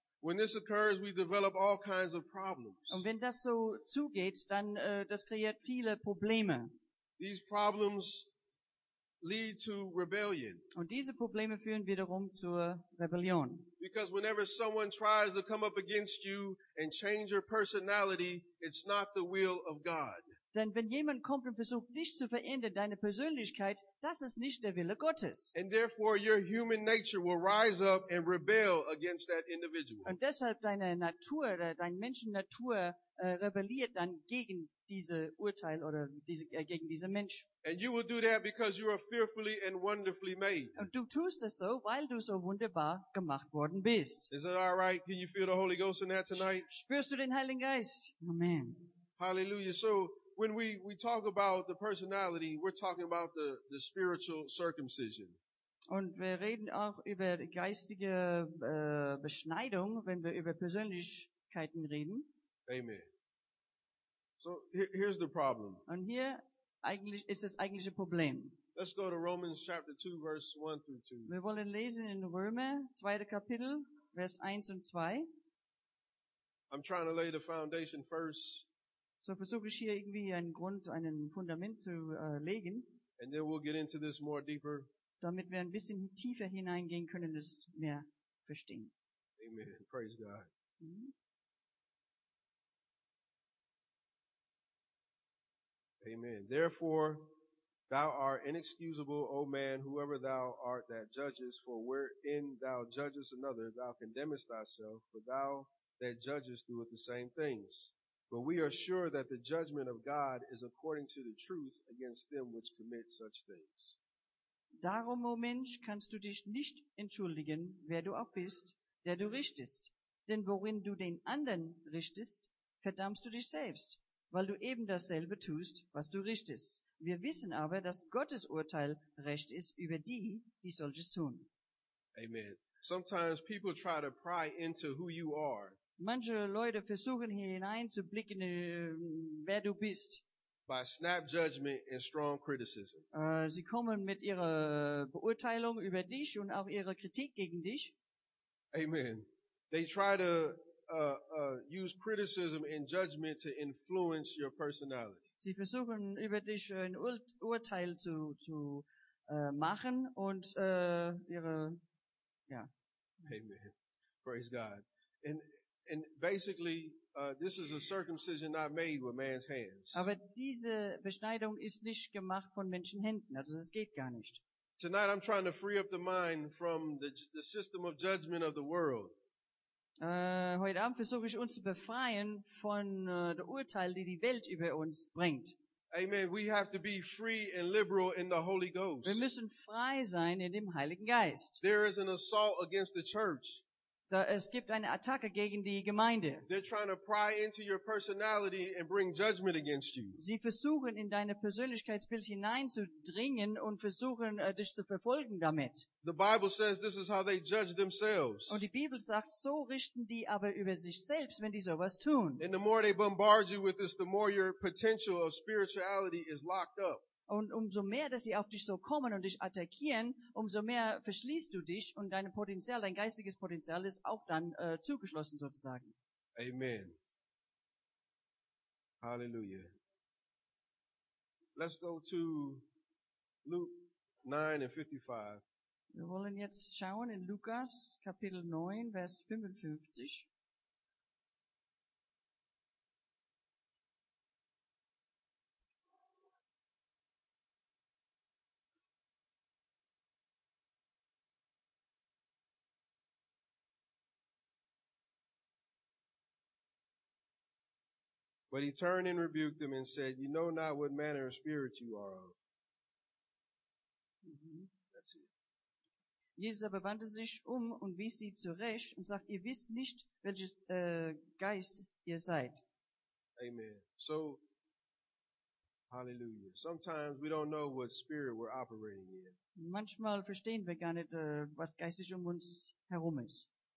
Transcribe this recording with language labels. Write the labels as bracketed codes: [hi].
[en] When this occurs, we develop all kinds of problems. [de] Und wenn das so zugeht, dann das kreiert viele Probleme. [en] These problems lead to rebellion. [de] Und diese Probleme führen wiederum zur Rebellion. [en] Because whenever someone tries to come up against you and change your personality, it's not the will of God. [de] Denn wenn jemand kommt und versucht, dich zu verändern, deine Persönlichkeit, das ist nicht der Wille Gottes. [en] And therefore your human nature will rise up and rebel against that individual. [de] Und deshalb deine Natur, deine Menschennatur, rebelliert dann gegen diese Urteil oder gegen diesen Mensch. [en] And you will do that because you are fearfully and wonderfully made. [de] Und du tust das so, weil du so wunderbar gemacht worden bist. [en] Is that all right? Can you feel the Holy Ghost in that tonight? [de] Spürst du den Heiligen Geist? Amen. Hallelujah. [en] So, when we talk about the personality, we're talking about the spiritual circumcision. [de] Und wir reden auch über geistige Beschneidung, wenn wir über Persönlichkeiten reden. [en] Amen. So here's the problem. [de] Und hier eigentlich ist das eigentliche Problem. [en] Let's go to Romans chapter 2, verse 1 through 2. [de] Wir wollen lesen in Römer, 2. Kapitel, Vers 1 und 2. [en] I'm trying to lay the foundation first. [de] So versuche ich hier irgendwie ein Fundament zu legen. [en] And then we'll get into this more deeper. [de] Damit wir ein bisschen tiefer hineingehen können und es mehr verstehen. [en] Amen. Praise God. Amen. Therefore, thou art inexcusable, O man, whoever thou art that judgest, for wherein thou judgest another, thou condemnest thyself, for thou that judgest doeth the same things. But we are sure that the judgment of God is according to the truth against them which commit such things. [de] Darum, O Mensch, kannst du dich nicht entschuldigen, wer du auch bist, der du richtest. Denn worin du den anderen richtest, verdammst du dich selbst, weil du eben dasselbe tust, was du richtest. Wir wissen aber, dass Gottes Urteil recht ist über die, die solches tun. Amen. [en] Sometimes people try to pry into who you are. [de] Manche Leute versuchen hier hineinzublicken, wer du bist. [en] By snap judgment and strong criticism. [de] Sie kommen mit ihrer Beurteilung über dich und auch ihrer Kritik gegen dich. Amen. [en] They try to use criticism and judgment to influence your personality. [de] Sie versuchen über dich ein Urteil zu machen und ihre ja. [en] Amen. Praise God. And basically, this is a circumcision not made with man's hands. [de] Aber diese Beschneidung ist nicht gemacht von Menschenhänden, also das geht gar nicht. [en] Tonight I'm trying to free up the mind from the system of judgment of the world. [de] Heute Abend versuche ich uns zu befreien von der Urteil, die Welt über uns bringt. Amen. [en] We have to be free and liberal in the Holy Ghost. [de] Wir müssen frei sein in dem Heiligen Geist. [en] There is an assault against the church. [de] Es gibt eine Attacke gegen die Gemeinde. [en] They're trying to pry into your personality and bring judgment against you. [de] Sie versuchen in deine Persönlichkeitsbild hineinzudringen und versuchen dich zu verfolgen damit. [en] The Bible says this is how they judge themselves. [de] Und die Bibel sagt, so richten die aber über sich selbst, wenn die sowas tun. [en] And the more they bombard you with this, the more your potential of spirituality is locked up. [de] Und umso mehr, dass sie auf dich so kommen und dich attackieren, umso mehr verschließt du dich und dein Potenzial, dein geistiges Potenzial ist auch dann zugeschlossen sozusagen. Amen. [en] Halleluja. Let's go to Luke 9:55. [de] Wir wollen jetzt schauen in Lukas Kapitel 9, Vers 55. [en] But he turned and rebuked them and said, you know not what manner of spirit you are of. Mm-hmm. That's it. [de] Jesus aber wandte sich um und wies sie zurecht und sagt, ihr wisst nicht, welches Geist ihr seid. [en] Amen. So, hallelujah. Sometimes we don't know what spirit we're operating in. [de] Manchmal verstehen wir gar nicht, was geistig um uns herum ist.